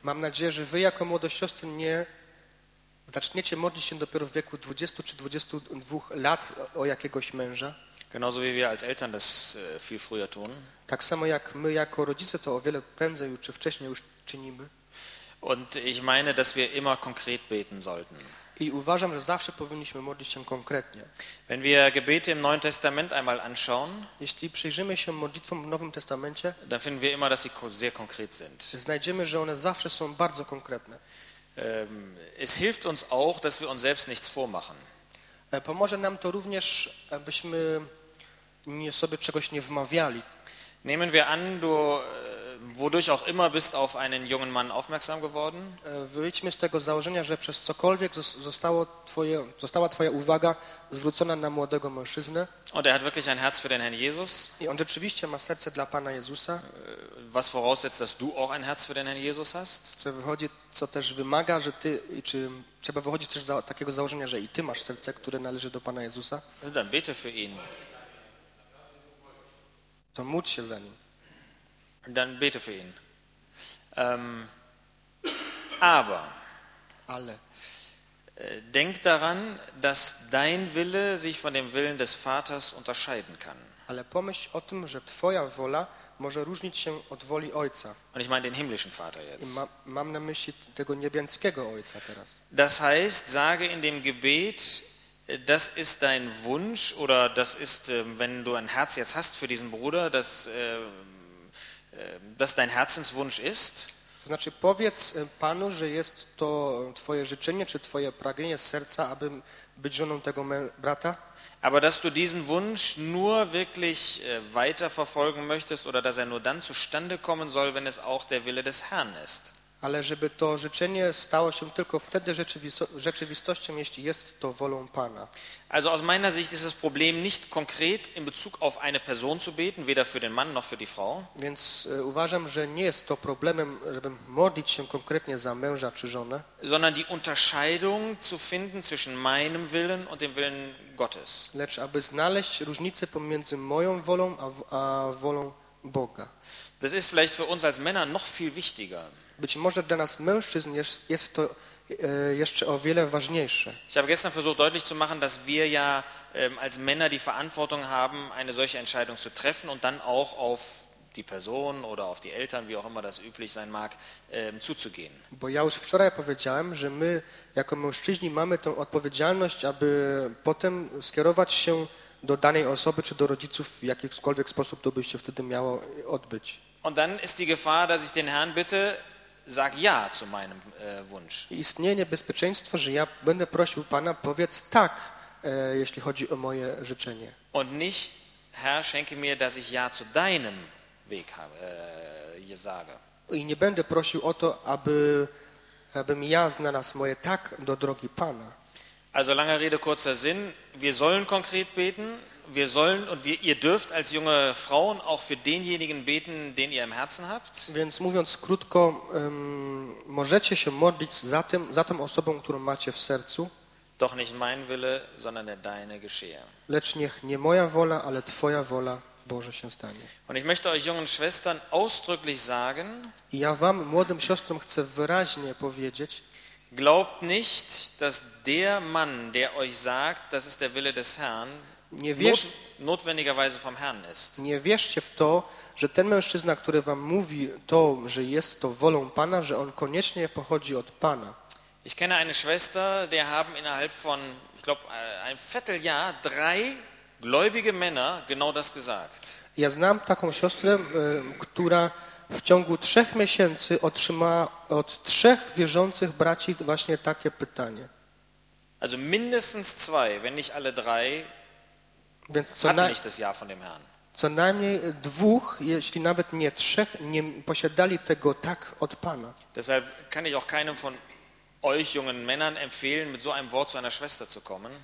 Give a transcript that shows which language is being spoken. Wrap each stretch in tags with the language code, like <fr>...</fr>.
<pl>Mam nadzieję, że wy jako młode siostry nie zaczniecie modlić się dopiero w wieku 20 czy 22 lat o jakiegoś męża.</pl> <de>Genauso wie wir als Eltern das viel früher tun.</de> <pl>Tak samo jak my jako rodzice to o wiele prędzej czy wcześniej już czynimy.</pl> <de>Und ich meine, dass wir immer konkret beten sollten.</de> <pl>I uważam, że zawsze powinniśmy modlić się konkretnie.</pl> <de>Wenn wir Gebete im Neuen Testament einmal anschauen,</de> <pl>jeśli przyjrzymy się modlitwom w Nowym Testamencie,</pl> <de>dann finden wir immer, dass sie sehr konkret sind.</de> <pl>Znajdziemy, że one zawsze są bardzo konkretne.</pl> <de>Es hilft uns auch, dass wir uns selbst nichts vormachen.</de> <pl>Pomoże nam to również, abyśmy nie sobie czegoś nie wmawiali.</pl> <de>Nehmen wir an, du wodurch auch immer bist auf einen jungen Mann aufmerksam geworden.</de> <pl>Wyjdźmy z tego założenia, że przez cokolwiek została twoja uwaga zwrócona na młodego mężczyznę.</pl> <de>Und er hat wirklich ein Herz für den Herrn Jesus.</de> <pl>I on rzeczywiście ma serce dla Pana Jezusa.</pl> <de>Was voraussetzt, dass du auch ein Herz für den Herrn Jesus hast.</de> <pl>Co też wymaga, że ty, czy trzeba wychodzić też z takiego założenia, że i ty masz serce, które należy do Pana Jezusa.</pl> <de>Dann bete für ihn.</de> <pl>To módl się za nim.</pl> <de>Dann bete für ihn. Aber alle. Denk daran, dass dein Wille sich von dem Willen des Vaters unterscheiden kann.</de> <pl>Ale pomyśl o tym, że twoja wola może różnić się od woli Ojca.</pl> <de>Und ich meine den himmlischen Vater jetzt.</de> <pl>Mam na myśli tego niebiańskiego Ojca teraz.</pl> <de>Das heißt, sage in dem Gebet, das ist dein Wunsch oder das ist, wenn du ein Herz jetzt hast für diesen Bruder, dass dein Herzenswunsch ist.</de> <pl>To znaczy powiedz Panu, że jest to twoje życzenie czy twoje pragnienie z serca, aby być żoną tego brata.</pl> <de>Aber dass du diesen Wunsch nur wirklich weiterverfolgen möchtest oder dass er nur dann zustande kommen soll, wenn es auch der Wille des Herrn ist.</de> <pl>Ale żeby to życzenie stało się tylko wtedy rzeczywistością, jeśli jest to wolą Pana.</pl> <de>Also aus meiner Sicht ist das Problem nicht konkret in Bezug auf eine Person zu beten, weder für den Mann noch für die Frau.</de> <pl>Więc uważam, że nie jest to problemem, żeby modlić się konkretnie za męża czy żonę.</pl> <de>Sondern die Unterscheidung zu finden zwischen meinem Willen und dem Willen Gottes.</de> <pl>Lecz aby znaleźć różnicę pomiędzy moją wolą a wolą Boga.</pl> <de>Das ist vielleicht für uns als Männer noch viel wichtiger.</de> <pl>Być może dla nas mężczyzn jest to jeszcze o wiele ważniejsze.</pl> <de>Ich habe gestern versucht deutlich zu machen, dass wir ja als Männer die Verantwortung haben, eine solche Entscheidung zu treffen und dann auch auf die Person oder auf die Eltern, wie auch immer das üblich sein mag, zuzugehen.</de> <pl>Bo ja już wczoraj powiedziałem, że my jako mężczyźni mamy tę odpowiedzialność, aby potem skierować się do danej osoby czy do rodziców w jakikolwiek sposób to by się wtedy miało odbyć.</pl> <de>Und dann ist die Gefahr, dass ich den Herrn bitte, sag ja zu meinem Wunsch.</de> <pl>Istnieje niebezpieczeństwo, że ja będę prosił Pana, powiedz tak, jeśli chodzi o moje życzenie.</pl> <de>Und nicht, Herr, schenke mir, dass ich ja zu deinem Weg sage.</de> <pl>I nie będę prosił o to, abym ja znalazł moje tak do drogi Pana.</pl> <de>Also lange Rede, kurzer Sinn. Wir sollen konkret beten. Wir sollen und ihr dürft als junge Frauen auch für denjenigen beten, den ihr im Herzen habt.</de> <pl>Więc mówiąc krótko, możecie się modlić za tą osobą, którą macie w sercu.</pl> <de>Doch nicht mein Wille, sondern der deine geschehe.</de> <pl>Lecz niech nie moja wola, ale twoja wola, Boże, się stanie.</pl> <de>Und ich möchte euch jungen Schwestern ausdrücklich sagen,</de> <pl>i ja wam, młodym siostrom, chcę wyraźnie powiedzieć,</pl> <de>glaubt nicht, dass der Mann, der euch sagt, das ist der Wille des Herrn, notwendigerweise vom Herrn ist.</de> <pl>Nie wierzcie w to, że ten mężczyzna, który wam mówi to, że jest to wolą Pana, że on koniecznie pochodzi od Pana.</pl> <de>Ich kenne eine Schwester, der haben innerhalb von, ich glaube, ein Vierteljahr drei gläubige Männer genau das gesagt.</de> <pl>Ja znam taką siostrę, która w ciągu trzech miesięcy otrzymała od trzech wierzących braci właśnie takie pytanie.</pl> <de>Also mindestens zwei, wenn nicht alle drei,</de> <pl>więc</pl> <de>nicht das Jahr von dem Herrn.</de> <pl>Co najmniej dwóch, jeśli nawet nie trzech, nie posiadali tego tak od Pana.</pl> <de>Deshalb kann ich auch keinem von euch jungen Männern empfehlen, mit so einem Wort zu einer Schwester zu kommen.</de>